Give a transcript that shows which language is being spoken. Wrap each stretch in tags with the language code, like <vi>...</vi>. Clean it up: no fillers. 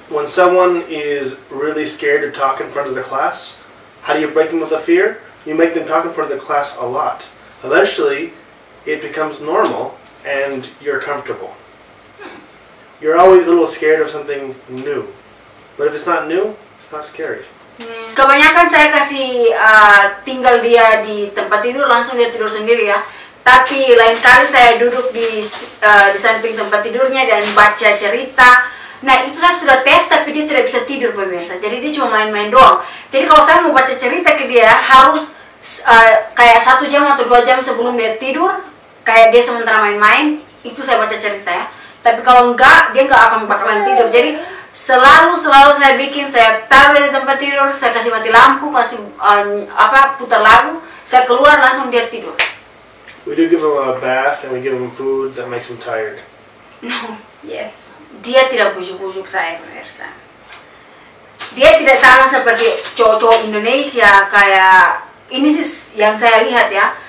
<en>When someone is really scared to talk in front of the class, how do you break them of the fear? You make them talk in front of the class a lot. Eventually, it becomes normal and you're comfortable. You're always a little scared of something new. But if it's not new, it's not scary.</en> <id>Kebanyakan saya kasih tinggal dia di tempat tidur, langsung dia tidur sendiri ya. Tapi lain kali saya duduk di samping tempat tidurnya dan baca cerita. Nah itu saya sudah tes, tapi dia tidak bisa tidur pemirsa. Jadi dia cuma main-main doang. Jadi kalau saya mau baca cerita ke dia, harus kayak 1 jam atau 2 jam sebelum dia tidur. Kayak dia sementara main-main, itu saya baca cerita ya. Tapi kalau enggak, dia enggak akan bakalan tidur. Jadi selalu-selalu saya bikin, saya taruh di tempat tidur, saya kasih mati lampu, kasih putar lagu, saya keluar langsung dia tidur.</id> <en>We do give him a bath and we give him food that makes him tired. No, yes.</en> <id>Dia tidak bujuk-bujuk saya, pemirsa. Dia tidak sama seperti cowok-cowok Indonesia, kayak ini sih yang saya lihat ya.</id>